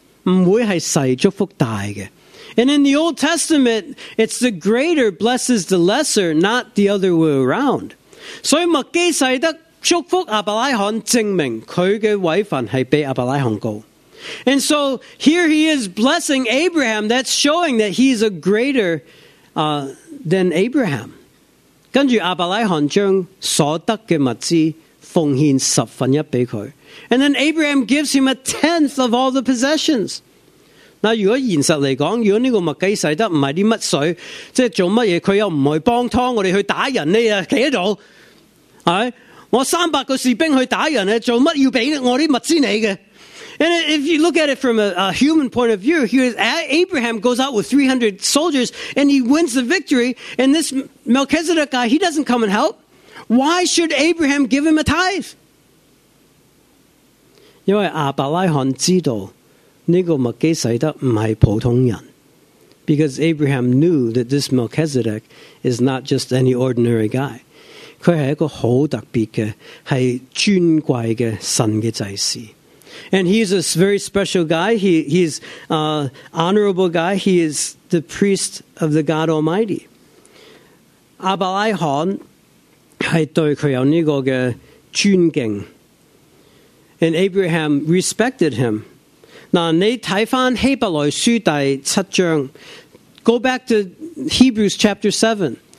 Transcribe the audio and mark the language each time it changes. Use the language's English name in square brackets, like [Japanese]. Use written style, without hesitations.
[Cantonese] 在旧约时代呢，是位份高先系祝福细嘅，唔会系细祝福大嘅。 [English] And in the Old Testament, it's the greater blesses the lesser, not the other way around. [Cantonese] 所以麦基洗德祝福阿伯拉罕，证明佢嘅位份系比阿伯拉罕高。 [English] And so here he is blessing Abraham. That's showing that he's a greater than Abraham. [Cantonese] 跟住亚伯拉罕将所得嘅物资奉献十分一俾佢。 [English] And then Abraham gives him a tenth of all the possessions. [Cantonese] 那如果现实嚟讲，如果呢个麦基洗德唔系啲乜水，即系做乜嘢，佢又唔去帮汤，我哋去打人呢？企喺度，系我300个士兵去打人咧，做乜要俾我啲物资你嘅？ [English] And if you look at it from a human point of view, here Abraham goes out with 300 soldiers and he wins the victory. And this Melchizedek guy, he doesn't come and help. Why should Abraham give him a tithe? [Cantonese] 因为亚伯拉罕知道那个麦基洗德不是普通人。 [English] Because Abraham knew that this Melchizedek is not just any ordinary guy. [Cantonese] 他是一个很特别的，是尊贵的神的祭司。 [English] And he's a very special guy. He's an honorable guy. He is the priest of the God Almighty. [Cantonese] 亚伯拉罕是对他有这个的尊敬。 [English] And Abraham respected him. [Cantonese] 那你看回希伯来书第七章， [English] Go back to Hebrews chapter 7.